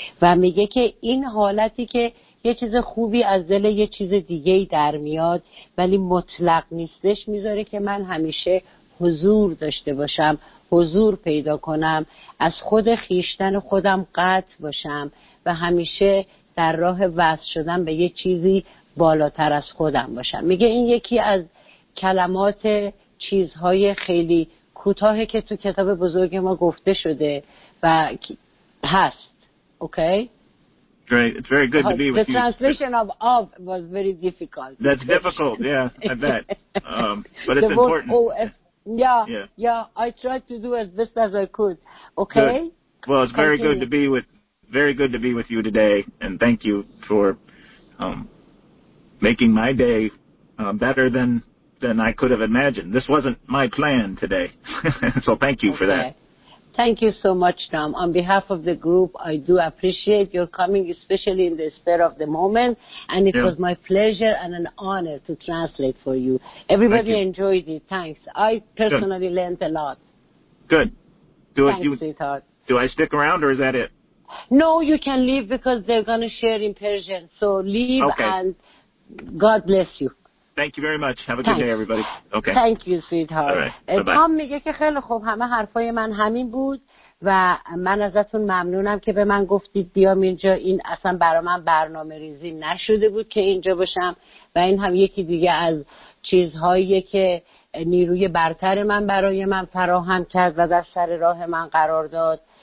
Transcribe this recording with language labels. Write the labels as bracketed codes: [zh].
[fa] و میگه که این حالتی که یه چیز خوبی از دل یه چیز دیگه در میاد ولی مطلق نیستش، میذاره که من همیشه حضور داشته باشم، حضور پیدا کنم، از خود خیشتن خودم قطع باشم و همیشه در راه وصل شدن به یه چیزی بالاتر از خودم باشم. میگه این یکی از کلمات چیزهای خیلی کوتاهی که تو کتاب بزرگ ما گفته شده و هست. [en] Okay? Great. It's very good to be with you. The translation of was very difficult. That's difficult, yeah, I bet. But it's the word important. O-F. Yeah, I tried to do as best as I could. Okay? Good. Well, it's very good to be with you today, and thank you for making my day better than I could have imagined. This wasn't my plan today. So thank you for that. Thank you so much, Tom. On behalf of the group, I do appreciate your coming, especially in the spirit of the moment. And it was my pleasure and an honor to translate for you. Everybody you. Enjoyed it. Thanks. I personally learned a lot. Good. Do I stick around or is that it? No, you can leave because they're going to share in Persian. So leave and God bless you. Thank you very much. Have a good day, everybody. Okay. Thank you, sweetheart. All right. [fa] Tom میگه که خیلی خوب، همه حرفای من همین بود و من ازتون ممنونم که به من گفتید بیام اینجا. این اصلا برای من برنامه ریزی نشده بود که اینجا باشم و این هم یکی دیگه از چیزهایی که نیروی برتر من برای من فراهم کرد و در سر راه من قرار داد.